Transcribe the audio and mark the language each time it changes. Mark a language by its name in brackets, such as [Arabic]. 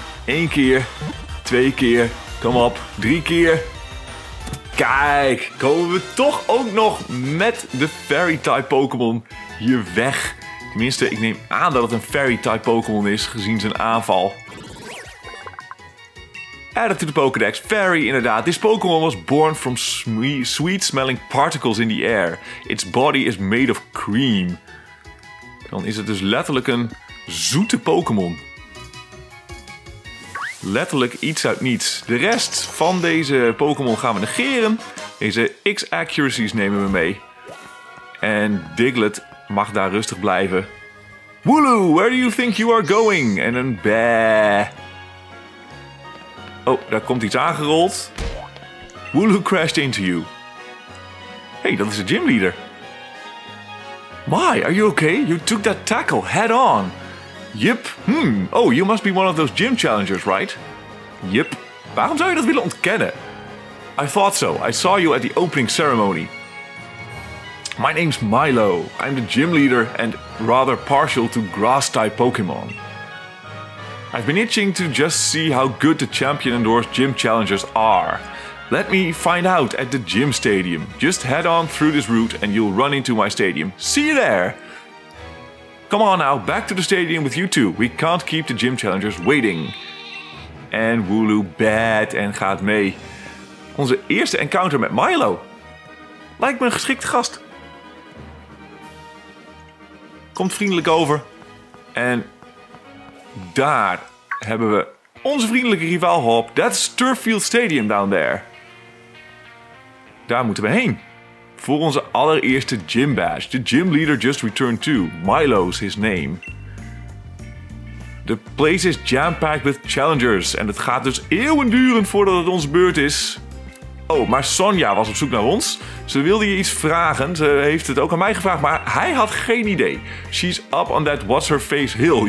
[Dutch] 1 keer. 2 keer. Kom op. 3 keer. Kijk, komen we toch ook nog met de Fairy-type Pokémon hier weg. Tenminste, ik neem aan dat het een Fairy-type Pokémon is, gezien zijn aanval. [English] Added to the Pokédex. Fairy, [Dutch] inderdaad. [English] This Pokémon was born from sweet-smelling particles in the air. Its body is made of cream. [Dutch] Dan is het dus letterlijk een zoete Pokémon. Letterlijk iets uit niets. De rest van deze Pokémon gaan we negeren. Deze X-accuracies nemen we mee. En Diglett mag daar rustig blijven. [English] Wooloo, where do you think you are going? [Dutch] En een bää. Oh, daar komt iets aangerold. [English] Wooloo crashed into you. [Dutch] Hey, dat is de gymleader. [English] My, are you okay? You took that tackle head on. Yep. Oh, you must be one of those gym challengers, right? Yep. [Dutch] Waarom zou je dat willen ontkennen? [English] I thought so. I saw you at the opening ceremony. My name's Milo. I'm the gym leader and rather partial to grass-type Pokémon. I've been itching to just see how good the champion-endorsed gym challengers are. Let me find out at the gym stadium. Just head on through this route and you'll run into my stadium. See you there! Come on now, back to the stadium with you two. We can't keep the gym challengers waiting. [Dutch] En Wooloo bad en gaat mee. Onze eerste encounter met Milo. Lijkt me een geschikte gast. Komt vriendelijk over. En daar hebben we onze vriendelijke rivaal op. [English] That's Turffield Stadium down there. [Dutch] Daar moeten we heen. Voor onze allereerste gym badge. [English] The gym leader just returned too. Milo's his name. The place is jam-packed with challengers. [Dutch] En het gaat dus eeuwen duren voordat het onze beurt is. Oh, maar Sonja was op zoek naar ons. Ze wilde je iets vragen. Ze heeft het ook aan mij gevraagd, maar hij had geen idee. [English] She's up on that what's her face hill.